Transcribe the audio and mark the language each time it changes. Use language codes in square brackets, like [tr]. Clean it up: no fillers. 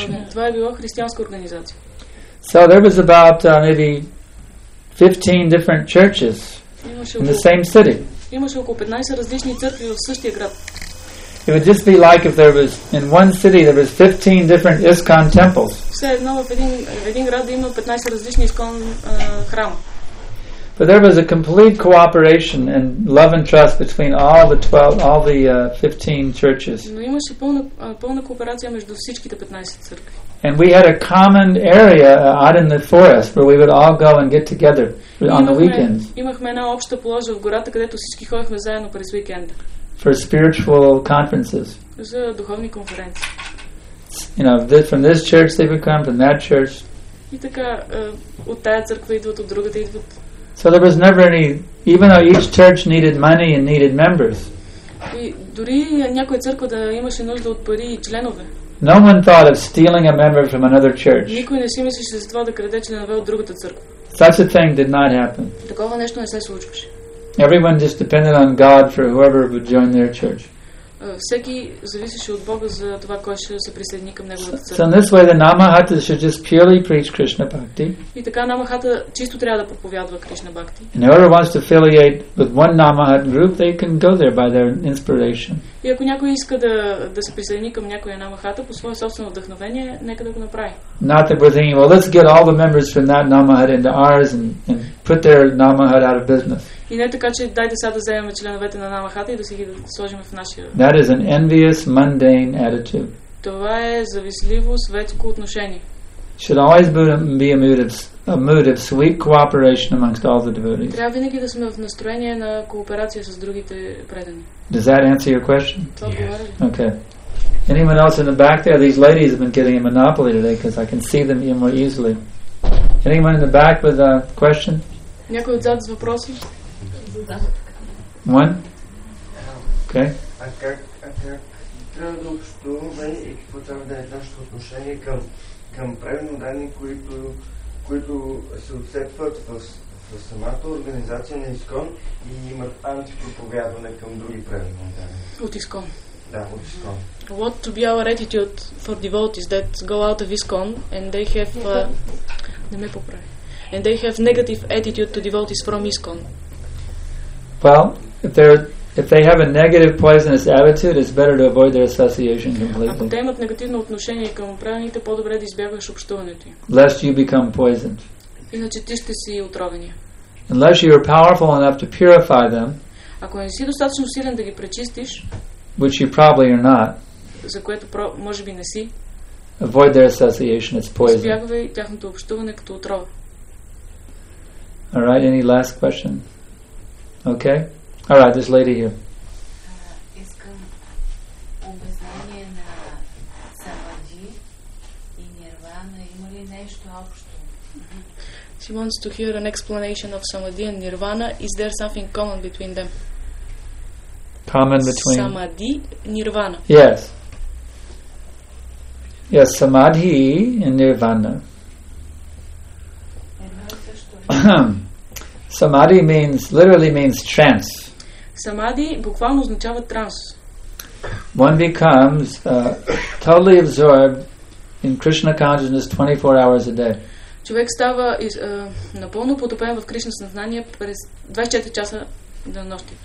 [bg] Това е било християнска организация. [en] So there was about maybe 15 different churches in the same city. [bg] Имаше около 15 различни църкви в същия град. [en] It would just be like if there was in one city there was 15 different ISKCON temples. [bg] Все едно в един град да има 15 различни ISKCON храма. [en] But there was a complete cooperation and love and trust between all the 15 churches. [bg] Но имаше пълна кооперация между всичките 15 църкви. [en] And we had a common area out in the forest where we would all go and get together on the weekends. [bg] Имахме една обща плоза в гората, където всички ходихме заедно през уикенда. [en] For spiritual conferences. [bg] За духовни конференции. [en] You know, from this church they would come, from that church. [bg] И така, от тая църква идват, от другата идват. [en] So there was never any, even though each church needed money and needed members. [bg] И дори някоя църква да имаше нужда от пари и членове. [en] No one thought of stealing a member from another church. [bg] Никой не си мислеше за това да краде членове от другата църква. [en] Such a thing did not happen. [bg] Такова нещо не се случваше. [en] Everyone just depended on God for whoever would join their church. [bg] Всеки зависеше от Бога за това кой ще се присъедини към неговата църква. [en] So in this way, the Namahata should just purely preach Krishna bhakti. [bg] И така Намахата чисто трябва да проповядва Кришна бхакти. [en] And whoever wants to affiliate with one Namahat group, they can go there by their inspiration. [bg] И ако някой иска да се присъедини към някоя Намахата по свое собствено вдъхновение, нека да го направи. [en] Not that we're thinking, well, let's get all the members from that Namahat into ours and put their Namahat out of business. [bg] И не така, че дайте сега да вземем членовете на Намахата и да си ги сложим в нашия. [en] That is an envious, mundane attitude. [bg] Това е завистливо, светско отношение. [en] Should always be a mood of sweet cooperation amongst all the devotees. [bg] Трябва винаги да сме в настроение на кооперация с другите предани. [en] Does that answer your question? Yes. Okay. Anyone else in the back there? These ladies have been getting a monopoly today because I can see them more easily. Anyone in the back with a question? [bg] Някой отзад с въпроси? [en] One? Okay. [bg] А как трябва да общуваме и какво трябва да е нашето отношение към правилно данни, които се отцепват в самата организация на ИСКОН и имат антипроповядване към други правилно данни? От ИСКОН. Да, от ИСКОН. [en] What to be our attitude for devotees that go out of ISKCON and they have [bg] не ме поправи. [en] And they have negative attitude to devotees from ISKCON. Well, if they have a negative poisonous attitude, it's better to avoid their association completely. [bg] Ако те имат негативно отношение към правилните, по-добре да избягваш общуването им. [en] Lest you become poisoned. [bg] Иначе ти ще си отровения. [en] Unless you are powerful enough to purify them. [bg] Ако не си достатъчно силен да ги пречистиш. [en] Which you probably are not. [bg] За което може би не си. [en] Avoid their association, it's poison. [bg] Избягвай тяхното общуване като отрова. [en] All right, any last question? Okay. All right, this lady here. [bg] Искам обяснение на Самаджи и Нирвана. Има ли нещо общо? [en] She wants to hear an explanation of Samadhi and Nirvana. Is there something common between them? common between samadhi, nirvana. Yes. Yes, samadhi and nirvana. Samadhi means literally means trance. [bg] Samadhi буквално означава транс. [en] One becomes totally absorbed in Krishna consciousness 24 hours a day. [bg] Човек става напълно потопен в Кришна съзнание през 24 часа на нощта.